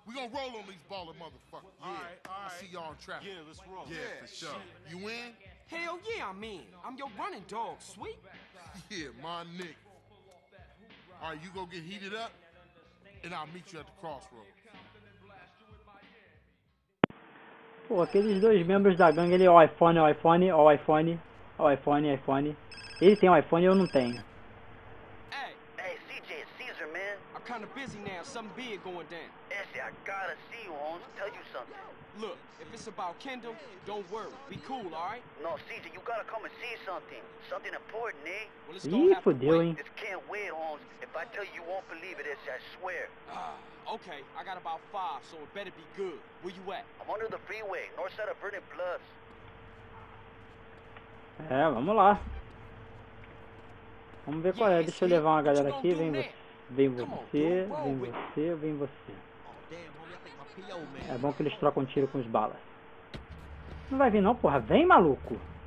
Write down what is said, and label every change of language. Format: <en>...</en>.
<en>We gonna roll on these baller motherfuckers. Yeah. All right. I'll see y'all in traffic. Yeah, let's roll. Yeah, for sure. You in? Hell yeah, I'm in. I'm your running dog, sweet. Yeah, my Nick. All right, you go get heated up, and I'll meet you at the crossroads.</en> <pt>Pô, aqueles dois membros da gangue, ele é o iPhone. Ele tem um iPhone e eu não tenho.</pt> <en>Hey, CJ, it's Cesar, man. I'm kind of busy now. Something big going down. Essie, I gotta see you, homie. Tell you something. Look, if it's about Kendall, don't worry. Be cool, all right? No, CJ, you gotta come and see something. Something important, eh? Well, it's gonna happen. Dealing. This can't wait, homie. If I tell you, you won't believe it, Essie, I swear. Okay, I got about five, so it better be good. Where you at? I'm under the freeway, north side of Verdant Bluffs.</en> <pt>É, vamos lá. Vamos ver qual é, deixa eu levar uma galera aqui, vem você. É bom que eles trocam tiro com os balas. Não vai vir não, porra, vem maluco.</pt>